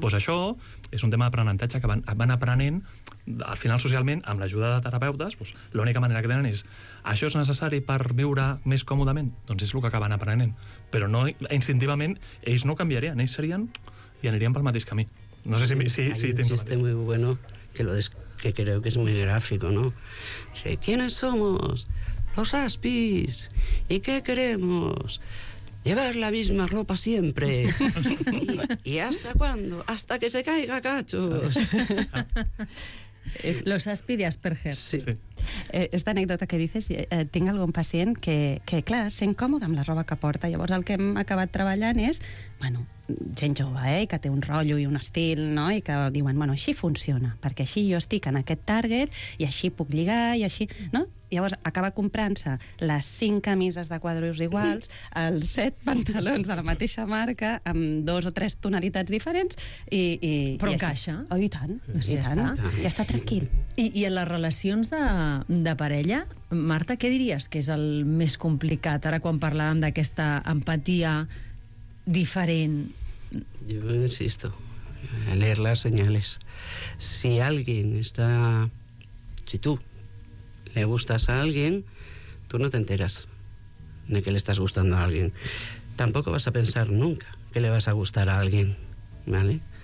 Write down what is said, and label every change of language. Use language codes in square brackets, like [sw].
[ca] Doncs això és un tema d'aprenentatge que van aprenent, al final, socialment, amb l'ajuda de terapeutes, doncs, l'única manera que tenen és, això és necessari per viure més còmodament? Doncs és el que acaben aprenent. Però no, instintivament, ells no canviarien, ells serien i anirien pel mateix camí. No sé si tens un tema. [es] Muy bueno, que creo que es muy gráfico, ¿no? Dice, ¿quiénes somos? Los Aspis. ¿Y qué queremos? Llevar la misma ropa siempre. ¿Y hasta cuándo? Hasta que se caiga cachos. Los Aspis de Asperger. Sí. Esta anécdota que dices, [ca] tinc algun pacient que clar, sent còmode amb la roba que porta. Llavors el que hem acabat treballant és, bueno, gent jove, i que té un rotllo i un estil, no? I que diuen, bueno, així funciona, perquè així jo estic en aquest target i així puc lligar i així, no? Llavors acaba comprant-se les 5 camises de quadros iguals, els 7 pantalons de la mateixa marca, amb 2 o 3 tonalitats diferents i però encaixa. Oh, i tant, doncs ja està. Ja està tranquil. I en les relacions de parella, Marta, què diries que és el més complicat? Ara quan parlàvem d'aquesta empatia diferent. [es] Yo insisto, leer las señales. Si alguien está... Si tú le gustas a alguien, tú no te enteras de que le estás gustando a alguien. Tampoco vas a pensar nunca que le vas a gustar a alguien, ¿vale?